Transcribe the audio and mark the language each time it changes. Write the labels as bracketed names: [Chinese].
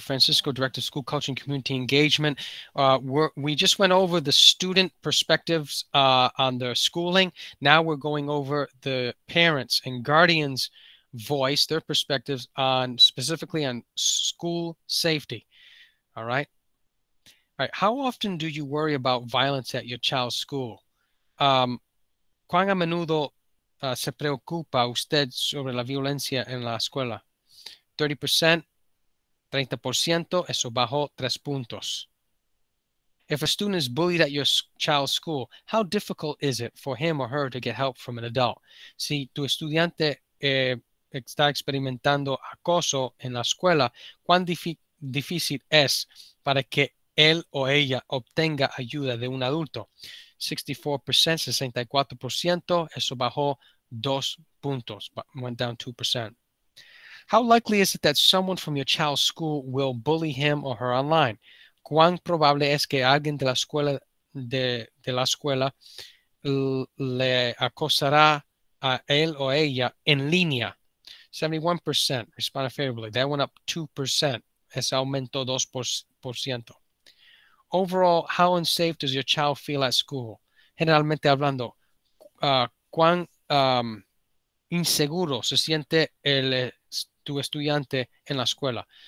[English] Francisco, Director of School Culture and Community Engagement. We just went over the student perspectives on their schooling. Now we're going over the parents and guardians' voice, their perspectives on specifically on school safety. All right. All right. How often do you worry about violence at your child's school? [Spanish] ¿Cuán a menudo se preocupa usted sobre la violencia en la escuela? 30%, 30%, eso bajó 3 puntos. [English] If a student is bullied at your child's school, how difficult is it for him or her to get help from an adult? [Spanish] Si tu estudiante está experimentando acoso en la escuela, ¿cuán difícil es para que él o ella obtenga ayuda de un adulto? 64%, 64%, eso bajó 2 puntos, [English] went down 2%. How likely is it that someone from your child's school will bully him or her online? [Spanish] ¿Cuán probable es que alguien de la escuela de la escuela le acosará a él o ella en línea? [English] 71% responded favorably. That went up 2%. [Spanish] Ese aumentó 2%. [English] Overall, how unsafe does your child feel at school? [Spanish] Generalmente hablando, ¿cuán inseguro se siente el tu estudiante en la escuela?